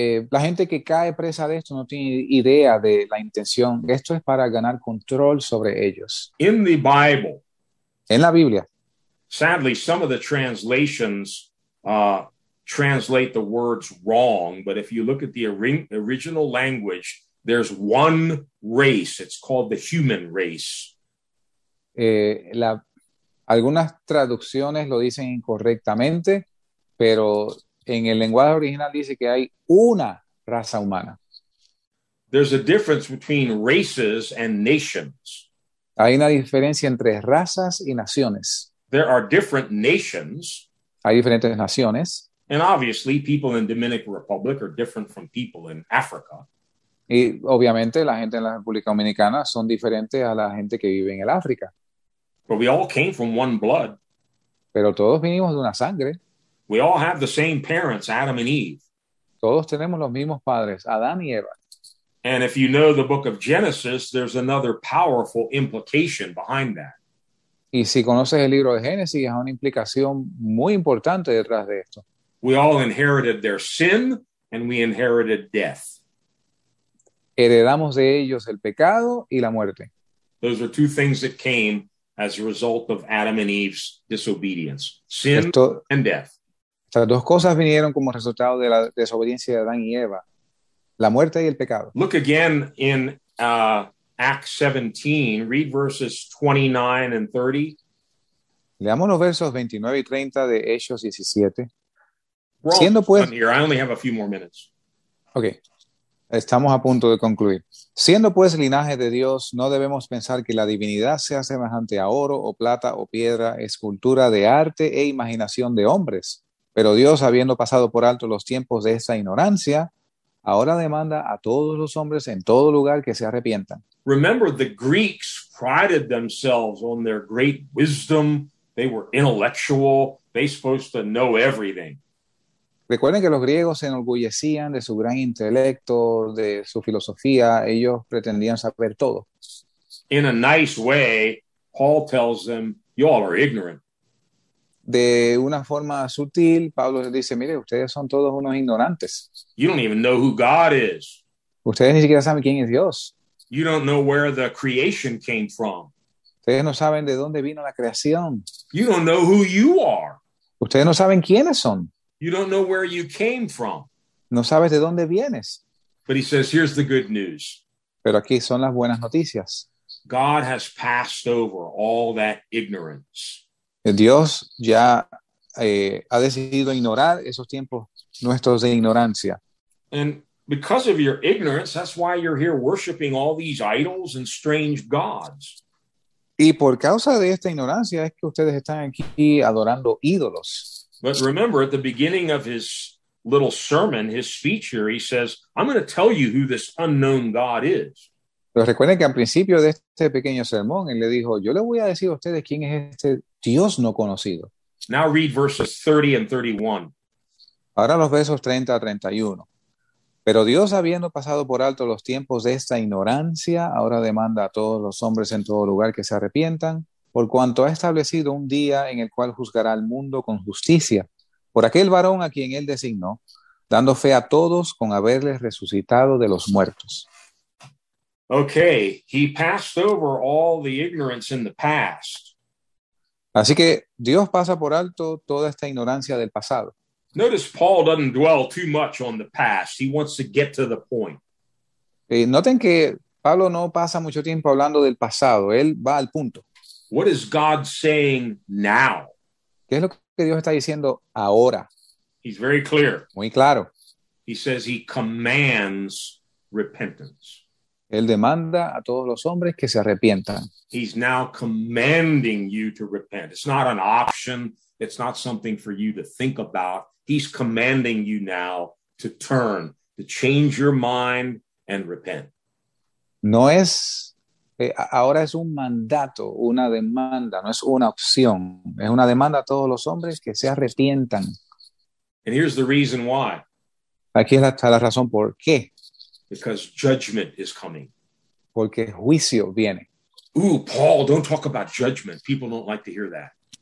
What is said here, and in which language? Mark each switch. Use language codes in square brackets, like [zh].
[es] La gente que cae presa de esto no tiene idea de la intención. Esto es para ganar control sobre ellos. [en] In the Bible, [es] en la Biblia, [en] sadly, some of the translations translate the words wrong, but if you look at the original language, there's one race. It's called the human race. [es] Algunas traducciones lo dicen incorrectamente, pero en el lenguaje original dice que hay una raza humana. [en] There's a difference between races and nations. [es] Hay una diferencia entre razas y naciones. [en] There are different nations. [es] Hay diferentes naciones. [en] And obviously, people in Dominican Republic are different from people in Africa. [es] Y obviamente, la gente en la República Dominicana son diferentes a la gente que vive en el África. [en] But we all came from one blood. [es] Pero todos vinimos de una sangre. [en] We all have the same parents, Adam and Eve. [es] Todos tenemos los mismos padres, Adán y Eva. [en] And if you know the book of Genesis, there's another powerful implication behind that. [es] Y si conoces el libro de Génesis, hay una implicación muy importante detrás de esto. [en] We all inherited their sin and we inherited death. [es] Heredamos de ellos el pecado y la muerte. [en] Those are two things that came as a result of Adam and Eve's disobedience, sin and death. [es] Estas dos cosas vinieron como resultado de la desobediencia de Adán y Eva, la muerte y el pecado. [en] Look again in Acts 17, read verses 29 and 30. [es] Leamos los versos 29 y 30 de Hechos 17. [en] We're [es] siendo pues, [en] done here. I only have a few more minutes. [es] Okay. Estamos a punto de concluir. Siendo pues linaje de Dios, no debemos pensar que la divinidad sea semejante a oro o plata o piedra, escultura de arte e imaginación de hombres. Pero Dios, habiendo pasado por alto los tiempos de esa ignorancia, ahora demanda a todos los hombres en todo lugar que se arrepientan. [en] Remember, the Greeks prided themselves on their great wisdom. They were intellectual. They supposed to know everything. [es] Recuerden que los griegos se enorgullecían de su gran intelecto, de su filosofía. Ellos pretendían saber todo. [en] In a nice way, Paul tells them, you all are ignorant. [es] De una forma sutil, Pablo dice, mire, ustedes son todos unos ignorantes. [en] You don't even know who God is. [es] Ustedes ni siquiera saben quién es Dios. [en] You don't know where the creation came from. [es] Ustedes no saben de dónde vino la creación. [en] You don't know who you are. [es] Ustedes no saben quiénes son. [en] You don't know where you came from. [es] No sabes de dónde vienes. [en] But he says, here's the good news. [es] Pero aquí son las buenas noticias. [en] God has passed over all that ignorance. [es] Dios ya ha decidido ignorar esos tiempos nuestros de ignorancia. [en] And because of your ignorance, that's why you're here worshiping all these idols and strange gods. [es] Y por causa de esta ignorancia es que ustedes están aquí adorando ídolos. [en] But remember, at the beginning of his little sermon, his speech here, he says, I'm going to tell you who this unknown God is. [es] Pero recuerden que al principio de este pequeño sermón, él le dijo, yo le voy a decir a ustedes quién es este Dios no conocido. [en] Now read verses 30 and 31. [es] Ahora los versos 30 a 31. Pero Dios, habiendo pasado por alto los tiempos de esta ignorancia, ahora demanda a todos los hombres en todo lugar que se arrepientan, por cuanto ha establecido un día en el cual juzgará al mundo con justicia, por aquel varón a quien él designó, dando fe a todos con haberles resucitado de los muertos. [en] Okay, he passed over all the ignorance in the past. [es] Así que Dios pasa por alto toda esta ignorancia del pasado. [en] Notice Paul doesn't dwell too much on the past. He wants to get to the point. [es] Noten que Pablo no pasa mucho tiempo hablando del pasado. Él va al punto. [en] What is God saying now? [es] ¿Qué es lo que Dios está diciendo ahora? [en] He's very clear. [es] Muy claro. [en] He says he commands repentance. [es] Él demanda a todos los hombres que se arrepientan. [en] He's now commanding you to repent. It's not an option. It's not something for you to think about. He's commanding you now to turn, to change your mind and repent. [es] No es, ahora es un mandato, una demanda, no es una opción. Es una demanda a todos los hombres que se arrepientan. [en] And here's the reason why. [es] Aquí está la razón por qué. [en] Because judgment is coming. [es] Porque juicio viene. [en] Ooh, Paul, don't talk about judgment. People don't like to hear that.